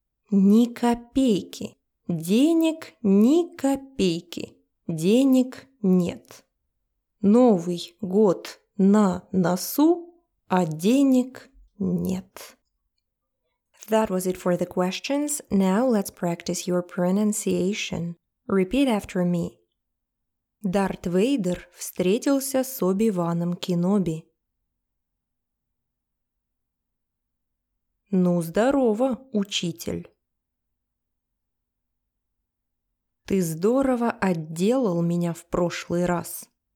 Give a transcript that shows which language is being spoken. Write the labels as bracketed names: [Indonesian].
[Russian] Ни копейки. Денег ни копейки. Денег нет. Новый год на носу, а денег нет. [English] That was it for the questions. Now let's practice your pronunciation. Repeat after me. [Russian] Дарт Вейдер встретился с Оби-Ваном Кеноби. Ну, здорово, учитель. Ты здорово отделал меня в прошлый раз.